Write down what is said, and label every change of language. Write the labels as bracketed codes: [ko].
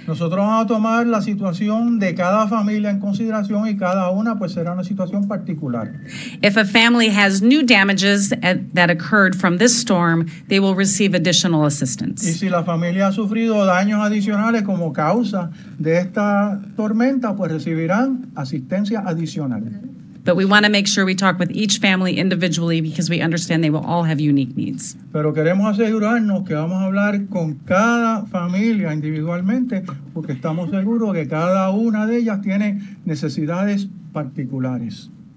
[es] Nosotros vamos a tomar la situación de cada familia en consideración y cada una pues será una situación particular. [en] If a family has new damages that occurred from this storm, they will receive additional assistance. [es] Y si la familia ha sufrido daños adicionales como causa de esta tormenta, pues recibirán asistencia adicional. [en] But we want to make sure we talk with each family individually because we understand they will all have unique needs. [es] Pero queremos asegurarnos que vamos a hablar con cada familia individualmente porque estamos seguros que cada una de ellas tiene necesidades particulares.